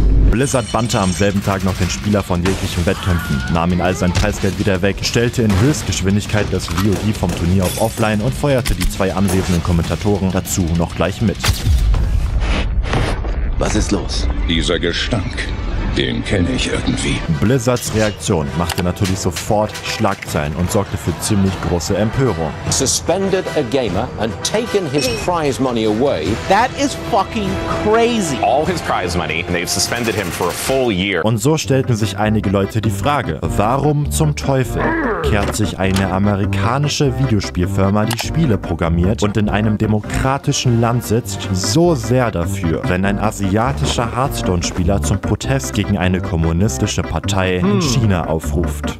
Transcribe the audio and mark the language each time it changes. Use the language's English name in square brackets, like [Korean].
[German] Blizzard bannte am selben Tag noch den Spieler von jeglichen Wettkämpfen, nahm ihn all sein Preisgeld wieder weg, stellte in Höchstgeschwindigkeit das VOD vom Turnier auf Offline und feuerte die zwei anwesenden Kommentatoren dazu noch gleich mit. Was ist los? Dieser Gestank, den kenne ich irgendwie. Blizzards Reaktion machte natürlich sofort Schlagzeilen und sorgte für ziemlich große Empörung. [English] Suspended a gamer and taken his prize money away. That is fucking crazy. All his prize money and they've suspended him for a full year. [German] Und so stellten sich einige Leute die Frage, warum zum Teufel kehrt sich eine amerikanische Videospielfirma, die Spiele programmiert und in einem demokratischen Land sitzt, so sehr dafür, wenn ein asiatischer Hearthstone-Spieler zum Protest gegen eine kommunistische Partei in China aufruft.